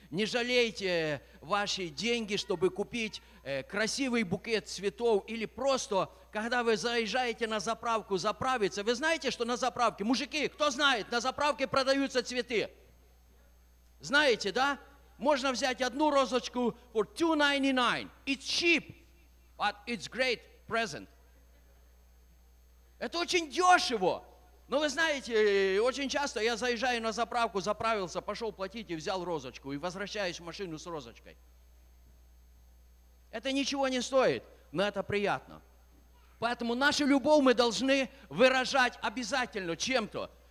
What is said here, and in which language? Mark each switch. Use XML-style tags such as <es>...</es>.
<ru>Не жалейте ваши деньги, чтобы купить красивый букет цветов, или просто, когда вы заезжаете на заправку заправиться. Вы знаете, что на заправке, мужики, кто знает, на заправке продаются цветы? Знаете, да? Можно взять одну розочку</ru> <en>for $2.99. It's cheap, but it's great present.</en> <ru>Это очень дешево. Но вы знаете, очень часто я заезжаю на заправку, заправился, пошел платить и взял розочку, и возвращаюсь в машину с розочкой. Это ничего не стоит, но это приятно. Поэтому нашу любовь мы должны выражать обязательно чем-то.</ru>